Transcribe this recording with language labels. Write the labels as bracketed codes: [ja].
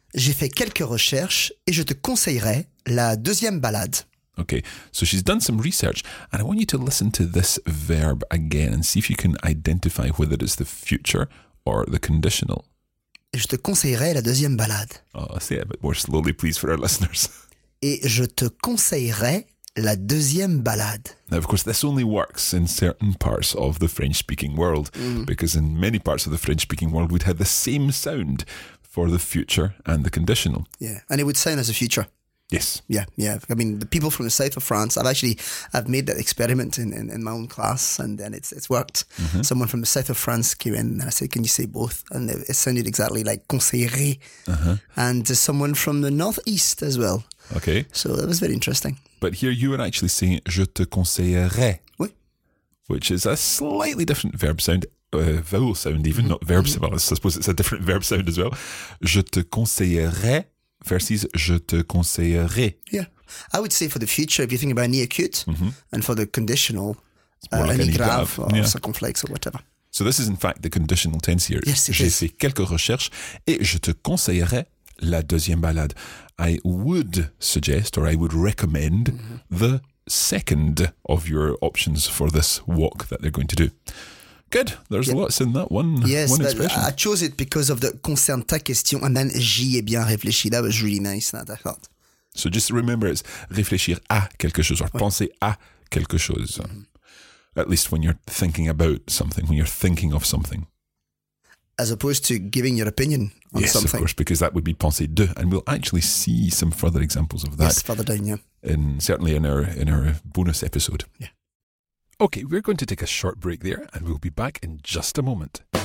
[fr] J'ai fait quelques recherches et je te conseillerai la deuxième balade. [en] Okay, so she's done some research and I want you to listen to this verb again and see if you can identify whether it's the future or the conditional. [fr] Je te conseillerai la deuxième balade. [en] Oh, say it a bit more slowly, please, for our listeners. [fr] et je te conseillerais la deuxième balade. [en] Now, of course, this only works in certain parts of the French-speaking world, because in many parts of the French-speaking world, we'd have the same sound for the future and the conditional. Yeah, and it would sound as a future. Yes. Yeah, yeah. I mean, the people from the south of France, I've made that experiment in my own class, and then it's worked. Mm-hmm. Someone from the south of France came in, and I said, can you say both? And it sounded exactly like conseillé. And someone from the northeast as well. Okay. So that was very interesting. But here you were actually saying, [fr] je te conseillerais. Oui. [en] Which is a slightly different verb sound, vowel sound even, not verb sound. Well, I suppose it's a different verb sound as well. [fr] Je te conseillerais. Versus je te conseillerai. [en] Yeah. I would say for the future, if you think about an acute, and for the conditional, any grave or circumflex or whatever. So this is in fact the conditional tense here. Yes, it is. [fr] J'ai fait quelques recherches et je te conseillerai la deuxième balade. [en] I would suggest or I would recommend the second of your options for this walk that they're going to do. Good. There's lots in that one. Yes, one but expression. I chose it because of the concern ta question, and then [fr] j'y ai bien réfléchi. [en] That was really nice, that I thought. So just remember, it's [fr] réfléchir à quelque chose [en] or [fr] penser à quelque chose. [en] At least when you're thinking about something, when you're thinking of something. As opposed to giving your opinion on something. Yes, of course, because that would be penser de, and we'll actually see some further examples of that. Yes, further down, yeah. Certainly in our bonus episode. Yeah. Okay, we're going to take a short break there and we'll be back in just a moment.